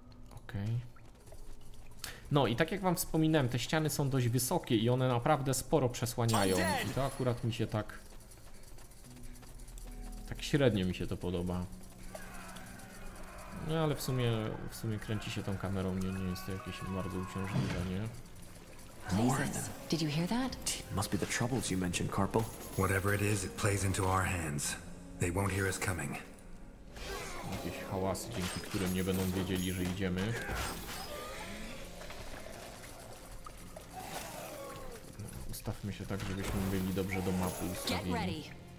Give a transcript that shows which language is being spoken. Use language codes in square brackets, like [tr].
[pl] Okej. No i tak jak wam wspominałem, te ściany są dość wysokie i one naprawdę sporo przesłaniają. I to akurat mi się tak... Tak średnio mi się to podoba. No ale w sumie kręci się tą kamerą, nie jest to jakieś bardzo uciążliwe, nie? [en] Did you hear that? Must be the troubles you mentioned, Carpal. Whatever it is, it plays into our hands. They won't hear us coming. [pl] Jakieś hałasy, dzięki którym nie będą wiedzieli, że idziemy. Ustawmy się tak, żebyśmy byli dobrze do mapy ustawieni.